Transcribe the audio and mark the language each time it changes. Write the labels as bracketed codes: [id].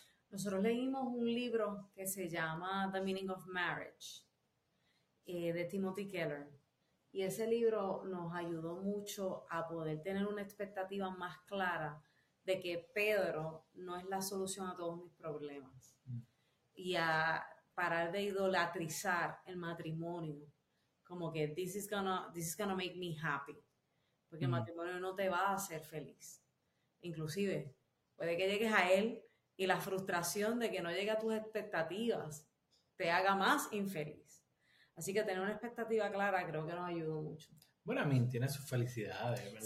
[es] Nosotros leímos un libro que se llama The Meaning of Marriage, de Timothy Keller. Y ese libro nos ayudó mucho a poder tener una expectativa más clara de que Pedro no es la solución a todos mis problemas. Y a parar de idolatrizar el matrimonio. Como que [en] this is gonna make me happy. [es] Porque el matrimonio no te va a hacer feliz. Inclusive, puede que llegues a él y la frustración de que no llegue a tus expectativas te haga más infeliz. Así que tener una expectativa clara creo que nos ayuda mucho. Bueno, a mí tiene sus felicidades, ¿verdad?